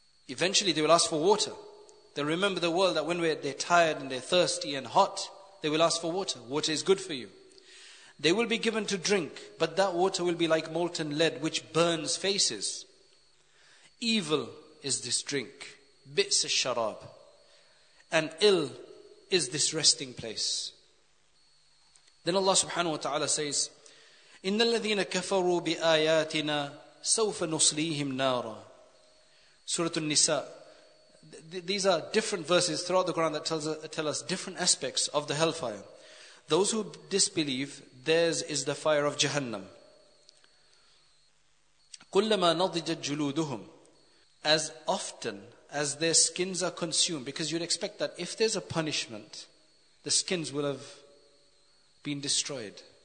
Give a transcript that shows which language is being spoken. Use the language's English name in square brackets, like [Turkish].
[English] Eventually they will ask for water. They'll remember the world that when they're tired and they're thirsty and hot, they will ask for water. Water is good for you. They will be given to drink, but that water will be like molten lead which burns faces. Evil is this drink. Bits of sharab. And ill is this resting place. Then Allah subhanahu wa ta'ala says, [Arabic] إِنَّ الَّذِينَ كَفَرُوا بِآيَاتِنَا سَوْفَ نُصْلِيهِمْ نَارًا. [English] Surah An-Nisa. These are different verses throughout the Quran that tell us different aspects of the hellfire. Those who disbelieve, theirs is the fire of Jahannam. [Arabic] كُلَّمَا نَضِجَتْ جُلُودُهُمْ. [English] As often as their skins are consumed, because you'd expect that if there's a punishment, the skins will have been destroyed.